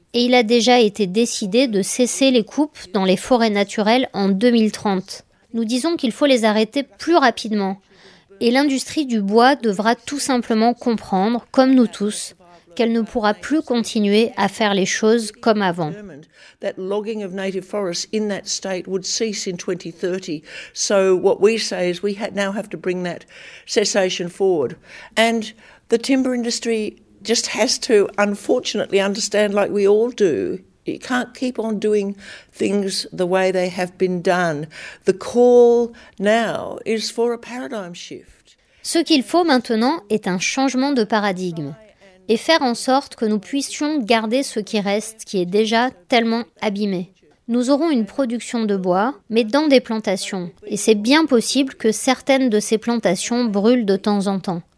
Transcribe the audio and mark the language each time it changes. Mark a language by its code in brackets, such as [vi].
[fr] Et il a déjà été décidé de cesser les coupes dans les forêts naturelles en 2030. Nous disons qu'il faut les arrêter plus rapidement. Et l'industrie du bois devra tout simplement comprendre, comme nous tous, qu'elle ne pourra plus continuer à faire les choses comme avant. [en] That logging of native forests in that state would cease in 2030. So what we say is we now have to bring that cessation forward. And the timber industry just has to unfortunately understand like we all do. You can't keep on doing things the way they have been done. The call now is for a paradigm shift. [fr] Ce qu'il faut maintenant est un changement de paradigme. Et faire en sorte que nous puissions garder ce qui reste, qui est déjà tellement abîmé. Nous aurons une production de bois, mais dans des plantations. Et c'est bien possible que certaines de ces plantations brûlent de temps en temps.